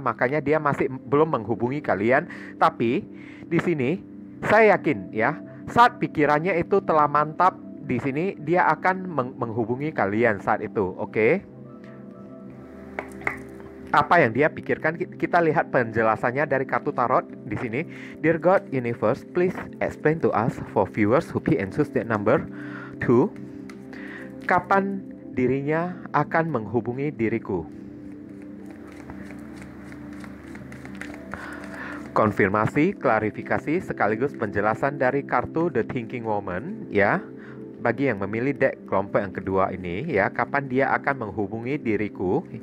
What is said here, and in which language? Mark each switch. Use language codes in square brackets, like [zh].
[id] Makanya dia masih belum menghubungi kalian. Tapi di sini saya yakin ya, saat pikirannya itu telah mantap, di sini dia akan menghubungi kalian saat itu. Oke. Apa yang dia pikirkan, kita lihat penjelasannya dari kartu tarot di sini. [en] Dear God Universe, please explain to us for viewers who pick and choose that number 2. [id] Kapan dirinya akan menghubungi diriku? Konfirmasi, klarifikasi sekaligus penjelasan dari kartu The Thinking Woman ya. Bagi yang memilih deck kelompok yang kedua ini ya, kapan dia akan menghubungi diriku?